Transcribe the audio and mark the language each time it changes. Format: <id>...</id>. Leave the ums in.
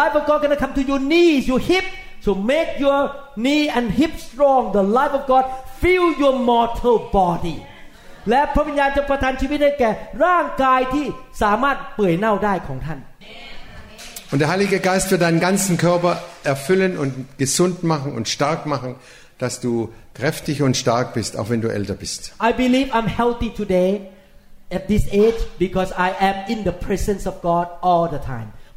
<en>God gonna come to your knees, your hips to so make your knee and hip strong the life of God fill your mortal body</en> <th>และพระวิญญาณจะประทานชีวิตให้แก่ร่างกายที่สามารถเปื่อยเน่าได้ของท่าน</th> <de>Und der Heilige Geist wird deinen ganzen Körper erfüllen und gesund machen und stark machen, dass du kräftig und stark bist, auch wenn du älter bist.</de> <en>I believe I'm healthy today at this age because I am in the presence of God all the time.</en>